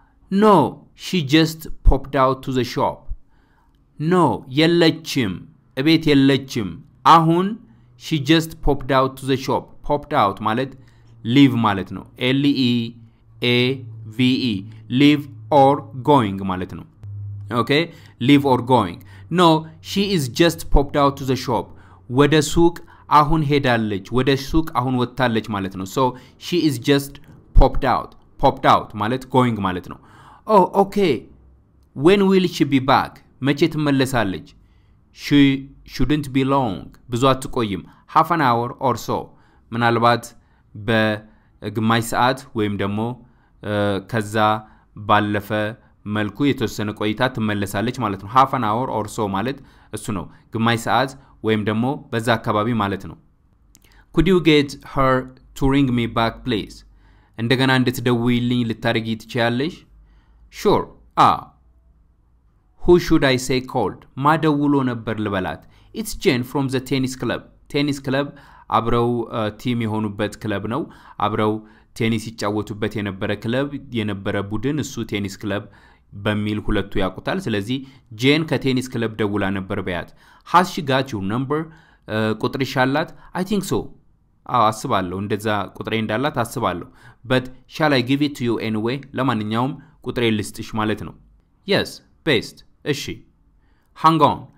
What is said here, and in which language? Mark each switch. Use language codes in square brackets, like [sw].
[en] ኖ ሺ ጀስት ፖፕድ አውት ቱ ዘ ሾፕ። [am] ኖ የለችም፣ እቤት የለችም። አሁን [en] ሺ ጀስት ፖፕድ አውት ቱ ዘ ሾፕ። popped out ማለት leave ማለት ነው። l e a v e leave or going ማለት ነው። okay leave or going. no she is just popped out to the shop. [am] ወደ ሱቅ አሁን ሄዳለች፣ ወደ ሱቅ አሁን ወጣለች ማለት ነው። [en] so she is just popped out. popped out ማለት going ማለት ነው። oh okay when will she be back? [am] መቼ ትመለሳለች? [en] she shouldn't be long. [am] ብዙ አትቆይም። [en] half an hour or so [am] ምናልባት በግማሽ ሰዓት ወይም ደግሞ ከዛ ባለፈ መልኩ የተወሰነ ቆይታ ትመለሳለች ማለት ነው። [en] half an hour or so [am] ማለት እሱ ነው። ግማሽ ሰዓት ወይም ደግሞ በዛ አካባቢ ማለት ነው። [en] Could you get her to ring me back please? [am] እንደገና እንድትደውይልኝ ልታደርጊ ትችያለሽ? [en] Sure. Who should I say called? [am] ማደውሎ ነበር ልበላት? [en] It's Jane from the tennis club. [am] ቴኒስ ክለብ አብረው ቲም የሆኑበት ክለብ ነው። አብረው ቴኒስ ይጫወቱበት የነበረ ክለብ የነበረ ቡድን እሱ ቴኒስ ክለብ በሚል ሁለቱ ያቁታል። ስለዚህ ጄን ከቴኒስ ክለብ ደውላ ነበር በያት። [en] Has she got your number? [am] ቁጥርሽ አላት? [en] I think so. [am] አዎ አስባለሁ እንደዛ ቁጥሬ እንዳላት አስባለሁ። [en] But shall I give it to you anyway? [am] ለማንኛውም ቁጥሬ ልስጥሽ ማለት ነው። [en] Yes, best. [am] እሺ. [en] Hang on.